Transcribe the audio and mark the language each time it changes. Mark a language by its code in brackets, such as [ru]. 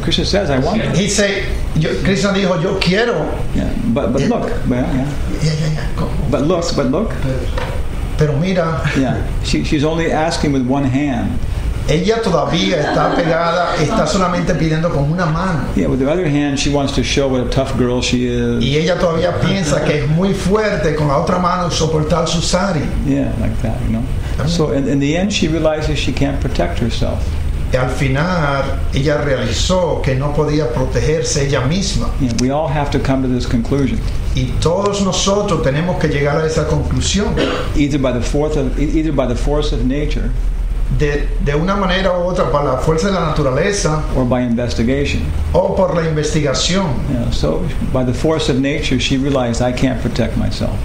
[en] Krishna says, I want to. He said, [es] Krishna dijo, yo quiero. [en] Yeah. But yeah. Look. Yeah. Yeah. Yeah. But look. [es] Pero mira. [en] Yeah. She's only asking with one hand. [es] Ella todavía está pegada, está solamente pidiendo con una mano. [en] Yeah, with the other hand, she wants to show what a tough girl she is. [es] Y ella todavía piensa que es muy fuerte con la otra mano soportar su sari. [en] Yeah, like that, you know. So in the end, she realizes she can't protect herself. [es] Y al final, ella realizó que no podía protegerse ella misma. [en] Yeah, we all have to come to this conclusion. [es] Y todos nosotros tenemos que llegar a esa conclusión. [en] Either by the force of nature. [es] De una manera u otra para la fuerza de la naturaleza [en] or by investigation. [es] O por la investigación. [en] Yeah, so by the force of nature she realized I can't protect myself.